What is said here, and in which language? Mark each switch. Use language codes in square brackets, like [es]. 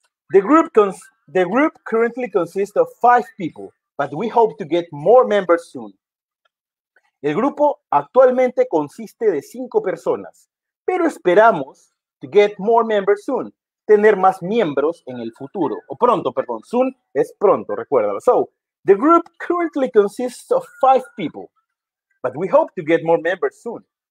[en] The group currently consists of 5 people, but we hope to get more members soon. [es] El grupo actualmente consiste de 5 personas, pero esperamos [en] to get more members soon, [es] tener más miembros en el futuro, o pronto, perdón, soon es pronto, recuérdalo. [en] So, the group currently consists of 5 people, but we hope to get more members soon.